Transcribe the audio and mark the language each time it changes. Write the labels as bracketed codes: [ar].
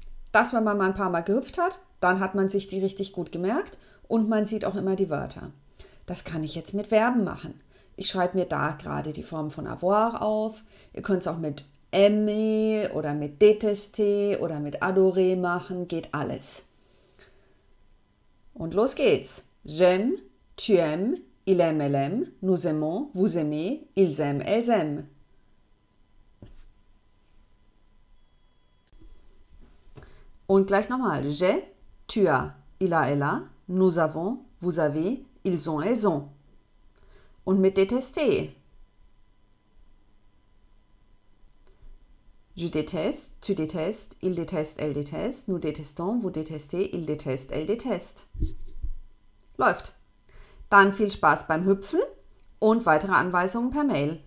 [de] Das, wenn man mal ein paar Mal gehüpft hat, dann hat man sich die richtig gut gemerkt und man sieht auch immer die Wörter. Das kann ich jetzt mit Verben machen. Ich schreibe mir da gerade die Form von avoir auf. Ihr könnt es auch mit aimer oder mit détester oder mit adorer machen, geht alles. Und los geht's. [fr] J'aime, tu aimes. Il aime, elle aime, nous aimons, vous aimez, ils aiment, elles aiment. [de] Und gleich nochmal. [fr] J'ai, tu as, il a, elle a, nous avons, vous avez, ils ont, elles ont. [de] Und mit détester. [fr] Je déteste, tu détestes, il déteste, elle déteste, nous détestons, vous détestez, il déteste, elle déteste. [de] Läuft. Dann viel Spaß beim Hüpfen und weitere Anweisungen per Mail.